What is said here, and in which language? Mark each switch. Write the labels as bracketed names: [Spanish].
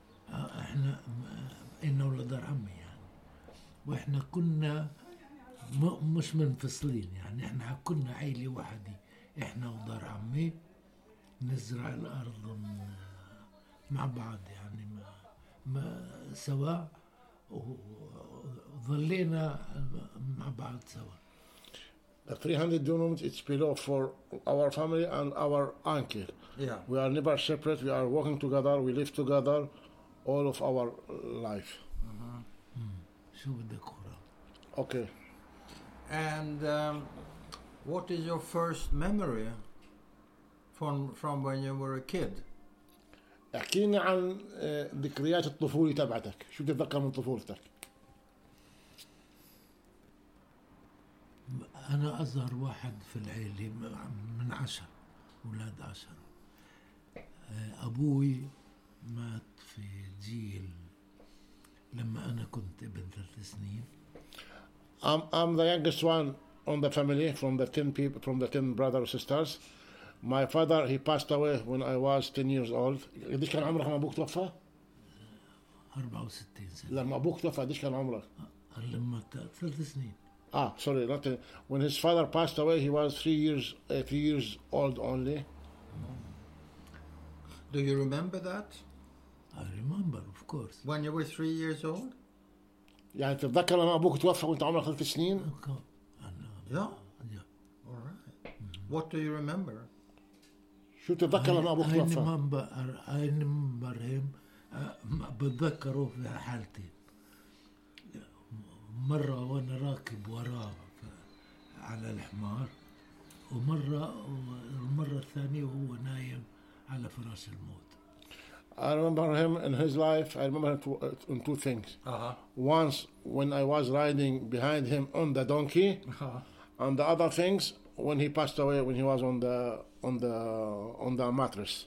[Arabic] إحنا إنا ولد عمي يعني. وإحنا كنا مش منفصلين يعني إحنا كنا عائلة واحدة. إحنا ودار عمي نزرع الأرض مع بعض يعني ما سوا وظلينا مع بعض سوا. [English] The 300 dunums it's below for our family and our uncle. Yeah. We are never separate. We are working together. We live together all of our life. [Arabic] شو بدك ورا؟ [English] Okay. And what is your first memory from when you were a kid? [Arabic] احكينا عن ذكريات الطفولة تبعتك شو بتتذكر من طفولتك؟ أنا أصغر واحد في العيلة من عشر أولاد عشر أبوي مات في جيل لما أنا كنت ابن ثلاث سنين. [English] I'm the youngest one on the family from the 10 brothers and sisters. My father, he passed away when I was 10 years old. [Arabic] قديش كان عمرك لما أبوك توفى؟ 64 سنة. لما أبوك توفى قديش كان عمرك؟ لما ثلاث سنين. [English] Ah, sorry, not when his father passed away, he was three years old only. Do you remember that? I remember, of course. When you were 3 years old? [Arabic] يعني تتذكر لما أبوك توفى وأنت عمرك ثلاث سنين؟ [English] Okay. Yeah. All right. Mm-hmm. What do you remember? [Arabic] شو تتذكر لما أبوك توفى؟ [English] I remember him. [Arabic] بتذكره في حالتي. مرة وأنا راكب وراه على الحمار ومرة الثانية وهو نايم على فراش الموت. [English] I remember him in his life. I remember him on two things. Uh-huh. Once when I was riding behind him on the donkey. Uh-huh. And the other things when he passed away when he was on the mattress.